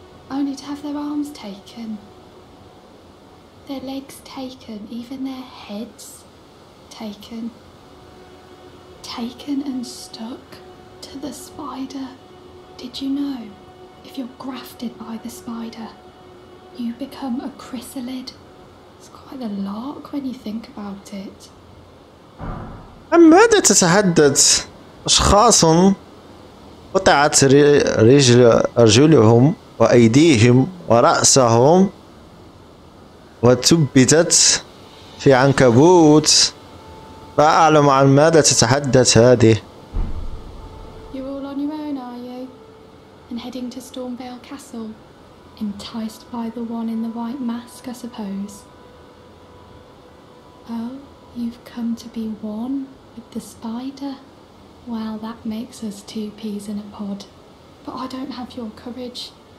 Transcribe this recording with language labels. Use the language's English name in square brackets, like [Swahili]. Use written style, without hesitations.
[English] Only to have their arms taken. Their legs taken, even their heads taken. Taken and stuck to the spider. Did you know? If you're grafted by the spider, you become a chrysalid. It's quite a lark when you think about it. [Arabic] عن ماذا تتحدث؟ أشخاص قطعت رجلهم وأيديهم ورأسهم وتبتت في عنكبوت. لا أعلم عن ماذا تتحدث هذه. [English] You're all on your own, are you? And heading to Stormvale Castle, enticed by the one in the white mask, I suppose. Oh, you've come to be one with the spider? Well, that makes us two peas in a pod. But I don't have your courage.